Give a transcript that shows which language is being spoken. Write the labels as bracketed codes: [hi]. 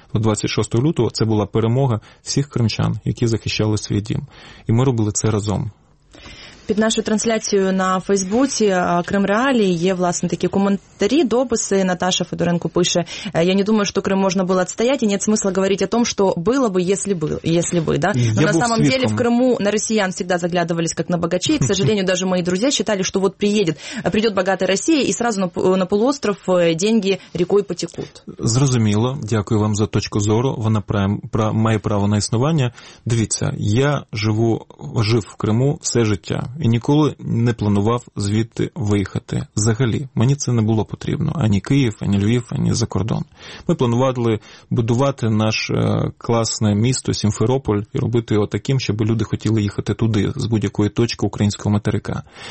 [uk] 26 лютого це була перемога всіх кримчан, які захищали свій дім. І ми робили це разом. під нашою трансляцією на Фейсбуці «Крим Реалії» є, власне, такі коментарі, дописи. Наташа Федоренко пише: «Я не думаю, що Крим можна було відстояти, і [ru] нет смысла [uk] говорити о том, що було б, якби, да? [ru] Но на самом деле в Криму на росіян всегда заглядывались как на богачей. К сожалению, даже мои друзья считали, что вот придет богатая Россия, и сразу на полуостров деньги рекой потекут». [uk] Зрозуміло. Дякую вам за точку зору. Вона має право на існування. Дивіться, я жив в Криму все життя і ніколи не планував звідти виїхати. Взагалі, мені це не було потрібно. Ані Київ, ані Львів, ані за кордон. Ми планували будувати наш класне місто Сімферополь і робити його таким, щоб люди хотіли їхати туди, з будь-якої точки українського материка.